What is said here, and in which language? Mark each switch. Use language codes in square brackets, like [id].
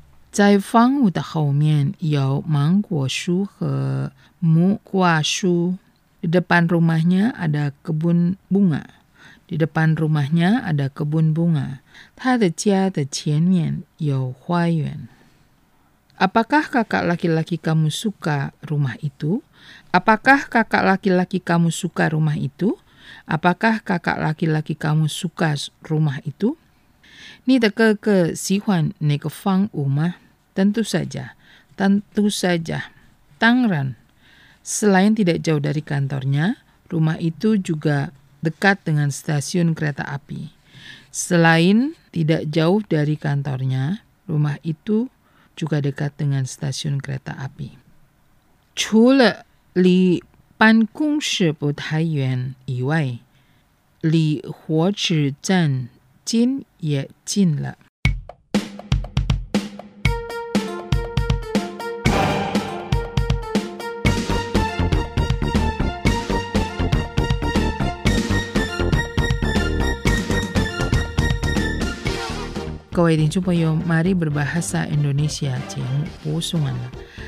[zh] 在房屋的后面有芒果树和木瓜树。 [id] Di depan rumahnya ada kebun bunga. Di depan rumahnya ada kebun bunga. [zh] 他的家的前面有花园。 [id] Apakah kakak laki-laki kamu suka rumah itu? Apakah kakak laki-laki kamu suka rumah itu? Apakah kakak laki-laki kamu suka rumah itu? [zh] 你的哥哥喜欢那个房屋吗? [id] Tentu saja. Tentu saja. [zh] Tang ran. [id] Selain tidak jauh dari kantornya, rumah itu juga dekat dengan stasiun kereta api. Selain tidak jauh dari kantornya, rumah itu... juga dekat dengan stasiun kereta api. [zh] 除了离办公室不太远以外，离火车站近也近了。各位听众朋友，玛丽本巴哈萨印度尼西亚节目播送完了。